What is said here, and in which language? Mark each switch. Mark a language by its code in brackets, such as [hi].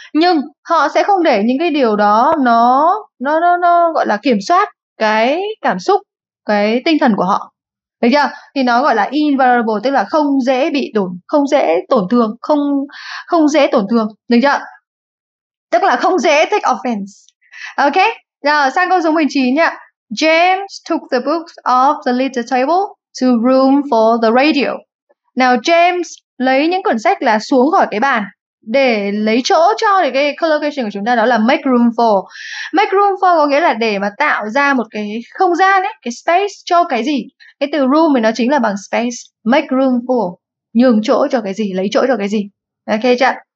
[vi] Nhưng họ sẽ không để những cái điều đó nó gọi là kiểm soát cái cảm xúc, cái tinh thần của họ. Đấy chưa? Thì nó gọi là invulnerable, tức là không dễ bị tổn, không dễ tổn thương, không không dễ tổn thương, được chưa? Tức là không dễ [en] take offense. [vi] Ok, giờ sang câu số 19 nhá. [en] James took the books off the little table to room for the radio. [vi] Now James lấy những quyển sách là xuống khỏi cái bàn để lấy chỗ cho cái collocation của chúng ta, đó là [en] make room for. Make room for [vi] có nghĩa là để mà tạo ra một cái không gian ấy, cái space cho cái gì. Cái từ room thì nó chính là bằng space, [en] make room for, [vi] nhường chỗ cho cái gì, lấy chỗ cho cái gì. Ok chưa?